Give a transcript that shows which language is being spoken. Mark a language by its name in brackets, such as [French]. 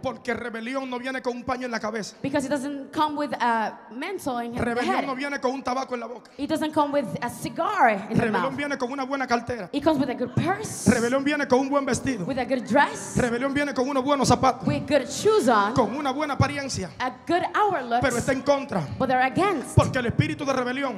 [Spanish] Porque rebelión no viene con un paño en la cabeza. [English] Because it doesn't come with a mantle in [Spanish] rebelión [English] the head. [Spanish] No viene con un tabaco en la boca. [English] It doesn't come with a cigar in the mouth. [Spanish] Rebelión viene con una buena cartera. [English] It comes with a good purse. [Spanish] Rebelión viene con un buen vestido. [English] With a good dress. [Spanish] Rebelión viene con unos buenos zapatos. [English] With good shoes on. [Spanish] Con una buena apariencia. [English] A good hour looks, [Spanish] pero está en contra. [English] But they're against. [Spanish] Porque el espíritu de rebelión